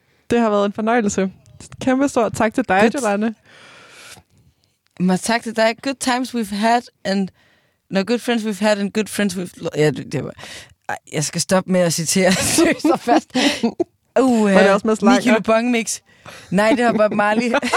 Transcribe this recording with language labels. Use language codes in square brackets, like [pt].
[da] Det har været en fornøjelse. Kæmpe stor tak til dig, Joalane. Men tak til dig. [en] Good times we've had, and no good friends we've had, and good friends we've... [da] Ja, det var... Jeg skal stoppe med at citere. Det er så fast. Var det også med slanger? 9 kilo bong mix. Nej, det har bare Marley.